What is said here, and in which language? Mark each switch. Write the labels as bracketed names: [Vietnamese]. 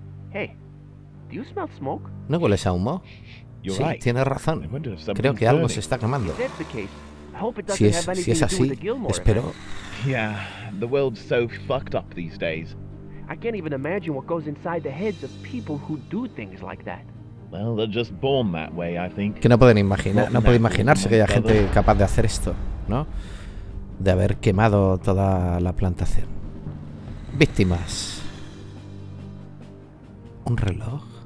[English] Hey, do you smell smoke? [Spanish] ¿No hueles a humo? Sí, tienes razón. Creo que algo se está quemando. Si es así, espero. [English] Yeah, the world's so fucked up these days. I can't even imagine what goes inside the heads of people who do things like that. Well, they're just born that way, I think. [Spanish] Que no pueden imaginar, no puede imaginarse que haya gente capaz de hacer esto, ¿no? De haber quemado toda la plantación. Víctimas. ¿Un reloj?